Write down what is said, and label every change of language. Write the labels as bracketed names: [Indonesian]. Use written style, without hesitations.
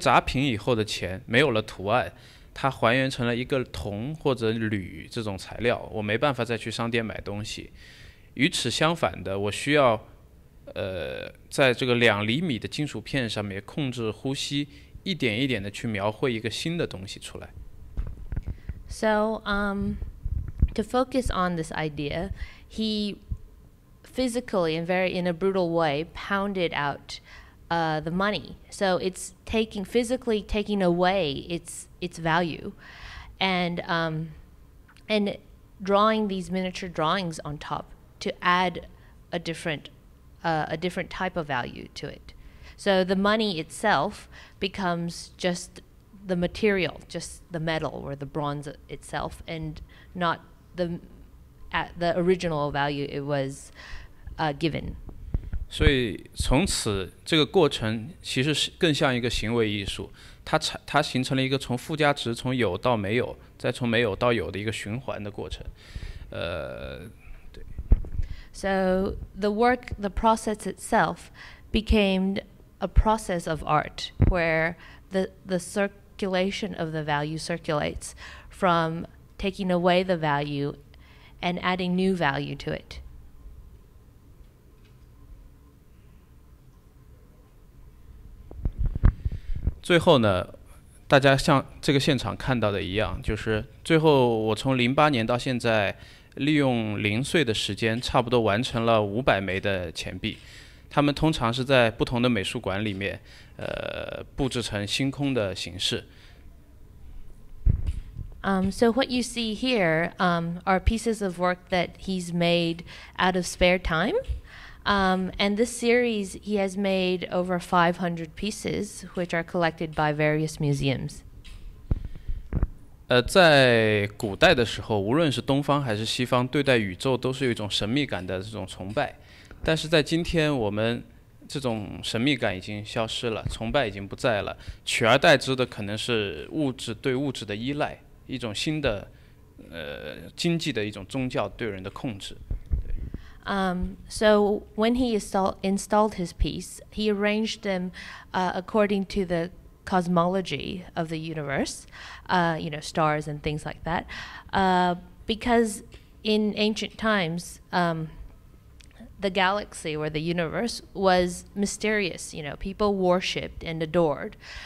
[Chinese] 我用锤子，用一种暴力的方法，一锤一锤的把它的这个附加值抹去，是为了让这个钱币还原成它的物质的本来属性，它就是一块金属。被砸平以后的钱没有了图案。它还原成了一个铜或者铝这种材料，我没办法再去商店买东西。与此相反的，我需要，在这个两厘米的金属片上面控制呼吸，一点一点的去描绘一个新的东西出来。So, [English] to focus on this idea, he physically and very in a brutal way pounded out the money. So it's physically taking away its value, and drawing these miniature drawings on top to add a different type of value to it. So the money itself becomes just the material, just the metal or the bronze itself, and not the at the original value it was given. [Chinese] 所以从此这个过程其实更像一个行为艺术，它形成了一个从附加值从有到没有再从没有到有的一个循环的过程。对。 [English] So the work, the process itself became a process of art where the circulation of the value circulates from taking away the value and adding new value to it. [Chinese] Finally, 大家像这个现场看到的一样，就是最后我从08年到现在，利用零碎的时间，差不多完成了500枚的钱币。它们通常是在不同的美术馆里面，布置成星空的形式。 [English] So what you see here are pieces of work that he's made out of spare time. And this series, he has made over 500 pieces, which are collected by various museums. [Chinese] 在古代的时候，无论是东方还是西方，对待宇宙都是有一种神秘感的这种崇拜。但是在今天，我们这种神秘感已经消失了，崇拜已经不在了，取而代之的可能是物质对物质的依赖，一种新的经济的一种宗教对人的控制。 [English] So when he installed his piece, he arranged them according to the cosmology of the universe, you know, stars and things like that. Because in ancient times, the galaxy or the universe was mysterious, you know, people worshipped and adored.